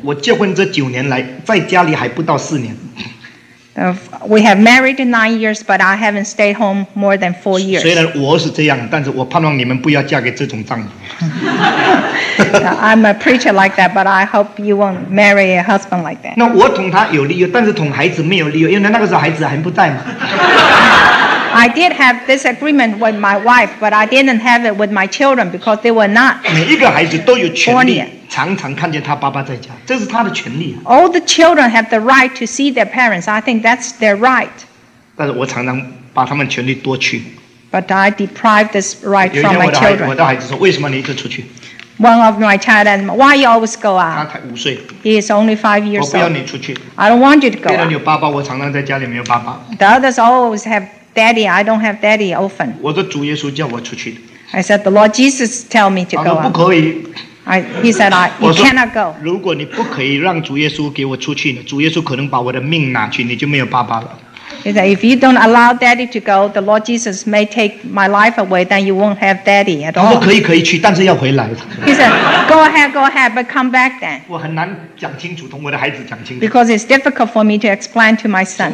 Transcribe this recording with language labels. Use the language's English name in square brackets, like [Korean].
[Chinese] 我结婚这九年来，在家里还不到四年。 [English] We have married 9 years, but I haven't stayed home more than 4 years. [Chinese] 虽然我是这样，但是我盼望你们不要嫁给这种丈夫。 [English] I'm a preacher like that, but I hope you won't marry a husband like that. [Chinese] 那我捅他有理由，但是捅孩子没有理由，因为那个时候孩子还不在嘛。 [English] I did have this agreement with my wife, but I didn't have it with my children because they were not born yet. [Chinese] 每一个孩子都有权利。常常看见他爸爸在家，这是他的权利。 [English] All the children have the right to see their parents. I think that's their right. [Chinese] 但是我常常把他们权利夺去。 [English] But I deprive this right from my children. [Chinese] 我的孩子说，为什么你一直出去？ [English] One of my child asked, why you always go out? [Chinese] 他才五岁。 [English] He is only 5 years old. [Chinese] 我不要你出去。 [English] I don't want you to go out. [Chinese] 别人有爸爸，我常常在家里没有爸爸。 [English] The others always have daddy. I don't have daddy often. [Chinese] 我的主耶稣叫我出去的。 [English] I said, the Lord Jesus tell me to go out. [Chinese] 他说不可以。 [English] He said, you cannot go. He said, if you don't allow daddy to go, the Lord Jesus may take my life away, then you won't have daddy at all. [Chinese] 他说可以去，但是要回来。 [English] He said, go ahead, but come back then. [Chinese] 我很难讲清楚，同我的孩子讲清楚。 [English] Because it's difficult for me to explain to my son.